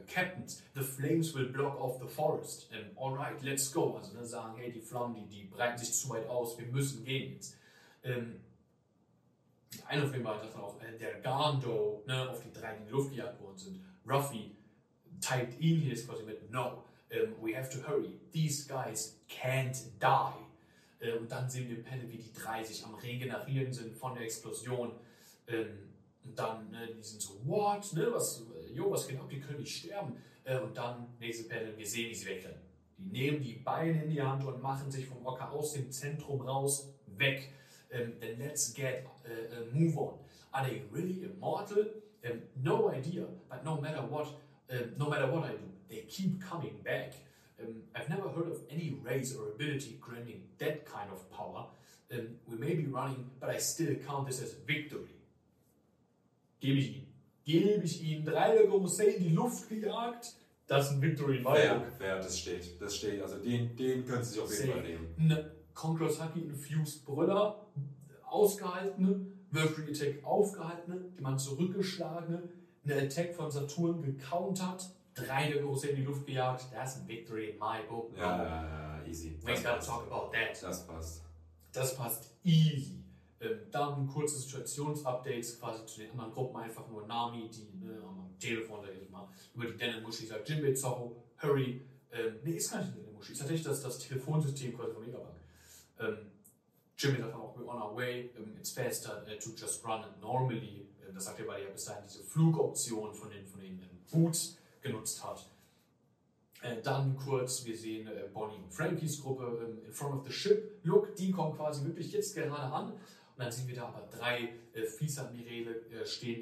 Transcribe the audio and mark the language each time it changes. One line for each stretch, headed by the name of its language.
English: Captains, the flames will block off the forest. Alright, let's go.
German: Also ne, sagen, hey, die Flammen, die breiten sich zu weit aus. Wir müssen gehen jetzt. Einer von den beiden sagt dann auch, der Gando, ne, auf die drei, die in die Luft gejagt worden sind. Ruffy teilt ihn jetzt quasi mit,
English: no, we have to hurry. These guys can't die.
German: Und dann sehen wir im Panel, wie die drei sich am Regenerieren sind von der Explosion. Und dann, ne, die sind so, what, ne, was, jo, was geht ab, die können nicht sterben. Und dann, nächste Panel, wir sehen, wie sie wegrennen. Die nehmen die Beine in die Hand und machen sich vom Ocker aus dem Zentrum raus, weg.
English: Then let's get, move on. Are they really immortal? No idea, but no matter what I do, they keep coming back. I've never heard of any race or ability granting that kind of power. We may be running, but I still count this as victory.
German: Gebe ich ihm. Gebe ich ihm. Drei Lego Hussein in die Luft gejagt. Das ist ein Victory in my book. Ja, das steht. Das steht. Also den können Sie sich auf jeden Fall nehmen. Conqueror's Haki, Infused Brüller, ausgehalten, Virtual Attack aufgehalten, die man zurückgeschlagen, eine Attack von Saturn gecountert, drei der Hussein in die Luft gejagt. Das ist ein Victory in my book. Ja, easy.
English: We gotta talk about that.
German: Das passt. Das passt easy. Dann ein kurzes Situationsupdates quasi zu den anderen Gruppen, einfach nur Nami, die ne, am Telefon, da ich mal über die Denimushi sagt, Jinbei Zoro, Hurry. Ne, ist gar nicht eine Denimushi, ist tatsächlich das Telefonsystem quasi von Megabank. Jinbei sagt auch,
English: we're on our way, it's faster to just run normally.
German: Das sagt er, weil er ja bis dahin diese Flugoption von den Boots genutzt hat. Dann kurz, wir sehen Bonnie und Frankies Gruppe
English: in front of the ship.
German: Look, die kommen quasi wirklich jetzt gerade an. Und dann sehen wir da aber drei Fies-Admirale stehen.